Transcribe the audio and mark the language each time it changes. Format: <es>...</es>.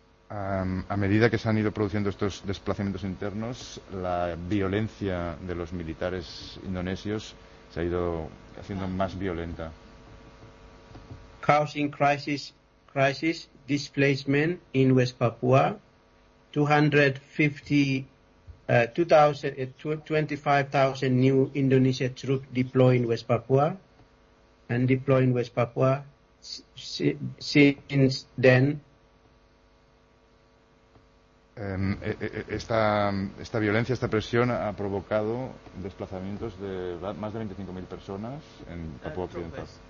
<es>A medida que se han ido produciendo estos desplazamientos internos, la violencia de los militares indonesios se ha ido haciendo más violenta.</es> <en>Causing crisis. Displacement in West Papua, 25,000 new Indonesian troops deployed in West Papua, and deployed in West Papua since then.</en> <es>Esta violencia, esta presión ha provocado desplazamientos de más de 25,000 personas en Papua Occidental.</es>